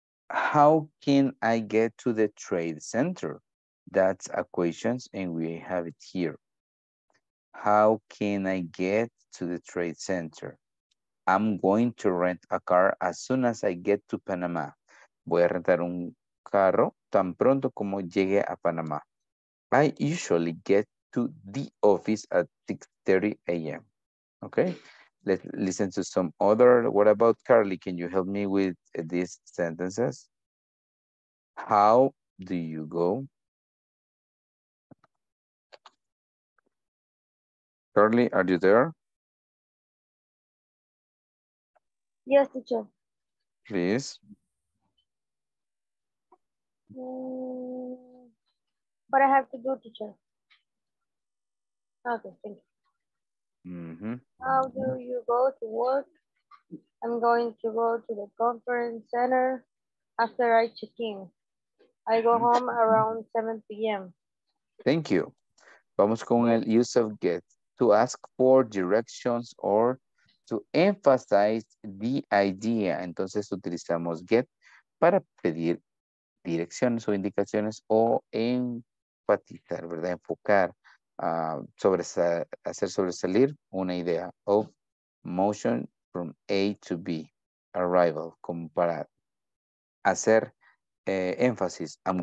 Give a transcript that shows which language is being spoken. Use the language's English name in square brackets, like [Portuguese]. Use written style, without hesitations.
[English] How can I get to the trade center? That's a question, and we have it here. How can I get to the trade center? I'm going to rent a car as soon as I get to Panama. [Spanish] Voy a rentar un carro tan pronto como llegue a Panamá. [English] I usually get to the office at 6:30 a.m. Okay, let's listen to some other. What about Carly? Can you help me with these sentences? How do you go? Carly, are you there? Yes, teacher. Please. But I have to go, teacher. Okay, thank you. Mm-hmm. How do you go to work? I'm going to go to the conference center after I check in. I go home around 7 p.m. Thank you. [Spanish] Vamos con el [English] use of get. To ask for directions or to emphasize the idea. [Spanish] Entonces utilizamos get para pedir direcciones o indicaciones o enfatizar, ¿verdad? Enfocar, hacer sobresalir una idea [English] of motion from A to B, arrival, [Spanish] como para hacer énfasis.